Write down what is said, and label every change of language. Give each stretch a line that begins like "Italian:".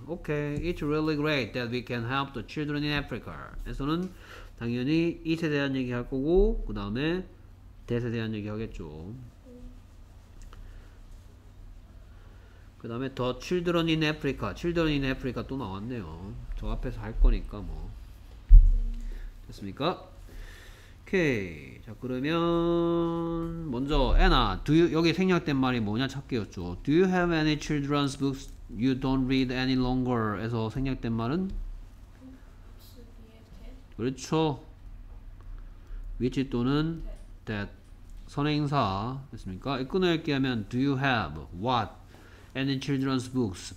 English: Okay, it's really great that we can help the children in Africa.
Korean: 에서는 당연히 it에 대한 얘기 할 거고 그 다음에 that에 대한 얘기 하겠죠. 그 다음에
English: the children in Africa.
Korean: children in Africa 또 나왔네요. 저 앞에서 할 거니까 뭐. 됐습니까? 오케이. 자 그러면 먼저 애나 do you, 여기 생략된 말이 뭐냐 찾기였죠.
English: Do you have any children's books you don't read any longer?
Korean: 에서 생략된 말은? 그렇죠. which 또는 that 선행사 됐습니까? 끊어읽기 하면
English: do you have what any children's books?